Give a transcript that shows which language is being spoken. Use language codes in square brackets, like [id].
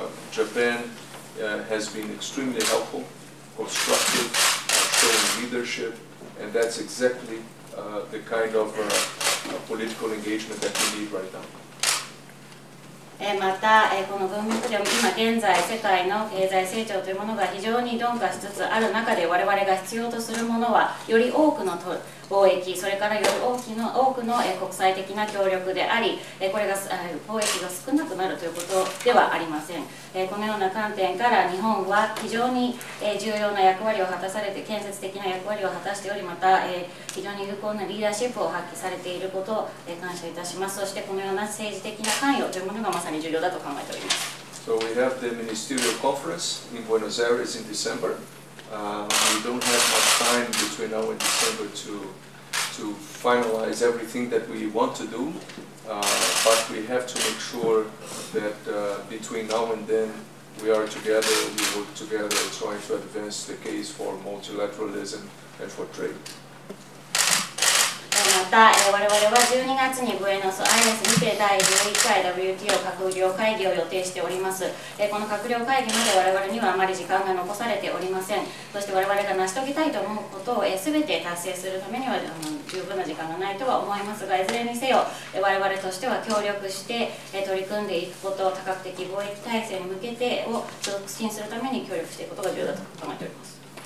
[en] Japan has been extremely helpful, constructive, showing leadership, and that's exactly the kind of political engagement that we need right now. [ja] また、この文脈でも今現在世界の経済成長というものが非常に鈍化しつつある中で、我々が必要とするものはより多くの貿易、それからより多くの国際的な協力であり、これが貿易が少なくなるということではありません。このような観点から日本は非常に重要な役割を果たされて、建設的な役割を果たしており、また非常に有効なリーダーシップを発揮されていることを感謝いたします。そしてこのような政治的な関与というものがまさに重要だと考えております。 [en] So we have the ministerial conference in Buenos Aires in December. We don't have much time between now and December to finalize everything that we want to do. But we have to make sure that between now and then we are together, we work together, trying to advance the case for multilateralism and for trade. [ja] また我々は12月にブエノスアイレスにて第11回 WTO 閣僚会議を予定しております。この閣僚会議まで我々にはあまり時間が残されておりません。そして我々が成し遂げたいと思うことを全て達成するためには十分な時間がないとは思いますが、いずれにせよ我々としては協力して取り組んでいくこと、多角的貿易体制に向けてを促進するために協力していくことが重要だと考えております。